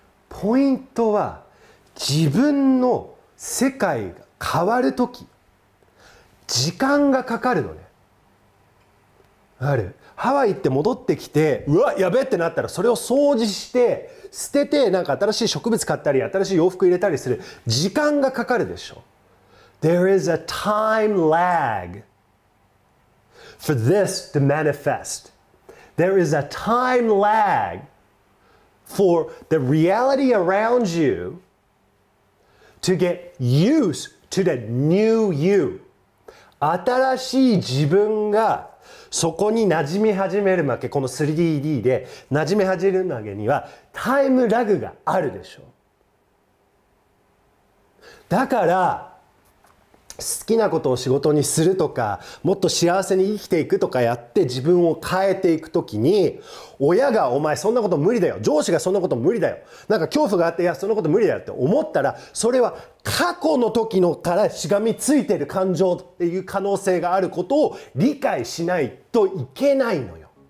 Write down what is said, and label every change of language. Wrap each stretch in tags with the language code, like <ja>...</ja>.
<ja>ポイントは自分の世界が変わるとき時間がかかるのね。ある、ハワイ行って戻ってきて、うわやべってなったら、それを掃除して捨てて、なんか新しい植物買ったり新しい洋服入れたりする時間がかかるでしょ。</ja> <en>There is a time lag for this to manifest. There is a time lag for the reality around you to get used to the new you.</en> <ja>新しい自分がそこに馴染み始めるわけ。この 3D で馴染み始めるわけにはタイムラグがあるでしょう。だから好きなことを仕事にするとか、もっと幸せに生きていくとかやって自分を変えていくときに、親がお前そんなこと無理だよ、上司がそんなこと無理だよ、なんか恐怖があっていやそんなこと無理だよって思ったら、それは過去の時のからしがみついてる感情っていう可能性があることを理解しないといけないのよ。</ja>